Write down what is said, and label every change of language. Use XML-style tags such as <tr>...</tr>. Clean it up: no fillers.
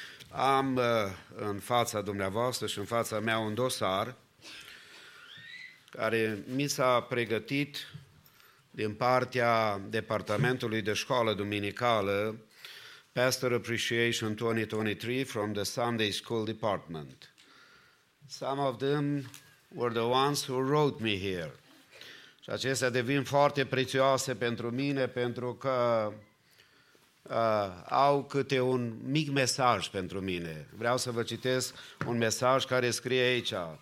<ro>Am în fața dumneavoastră și în fața mea un dosar care mi s-a pregătit din partea Departamentului de Școală Duminicală,</ro> <en>Pastor Appreciation 2023 from the Sunday School Department. Some of them were the ones who wrote me here.</en> <ro>Și acestea devin foarte prețioase pentru mine, pentru că au câte un mic mesaj pentru mine. Vreau să vă citesc un mesaj care scrie aici.</ro>